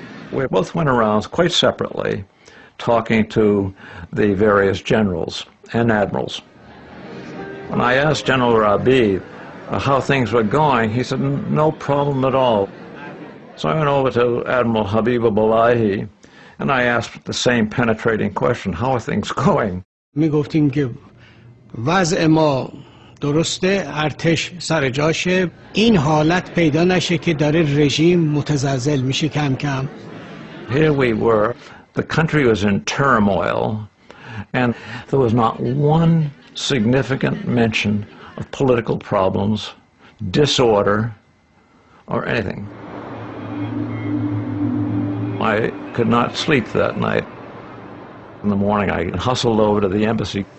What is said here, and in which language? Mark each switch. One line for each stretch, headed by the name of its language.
English: We both went around quite separately, talking to the various generals and admirals. When I asked General Rabi how things were going, he said, no problem at all. So I went over to Admiral Habib Abulahi, and I asked the same penetrating question, how are things going?
Persian: می گفتیم که وضع ما درسته، ارتش سر جاشه، این حالت پیدا نشه که داره رژیم متزلزل میشه کم کم.
English: Here we were, the country was in turmoil, and there was not one significant mention of political problems, disorder, or anything. I could not sleep that night. In the morning, I hustled over to the embassy.